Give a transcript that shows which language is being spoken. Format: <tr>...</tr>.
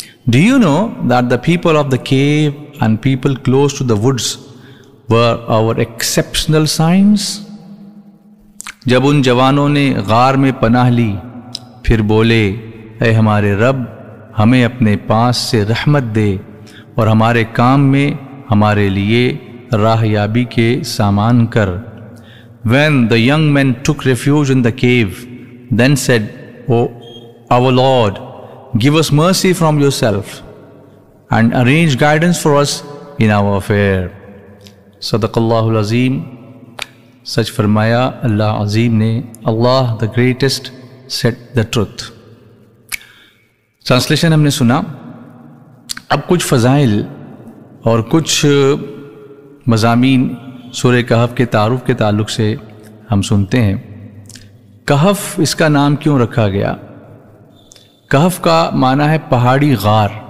<en>Do you know that the people of the cave and people close to the woods were our exceptional signs?</en> <ur>جب ان جوانوں نے غار میں پناہ لی پھر بولے اے ہمارے رب ہمیں اپنے پاس سے رحمت دے اور ہمارے کام میں ہمارے لیے راہ یابی کے سامان کر.</ur> <en>When the young men took refuge in the cave, then said, Oh, our Lord, give us mercy from yourself and arrange guidance for us in our affair.</en> <ar>صدق اللہ العظیم.</ar> <ur>سچ فرمایا اللہ عظیم نے.</ur> <en>Allah the greatest said the truth.</en> <ur>Translation ہم نے سنا. اب کچھ فضائل اور کچھ مضامین سورہ کہف کے تعارف کے تعلق سے ہم سنتے ہیں. کہف اس کا نام کیوں رکھا گیا؟ کہف کا معنی ہے پہاڑی غار.</ur>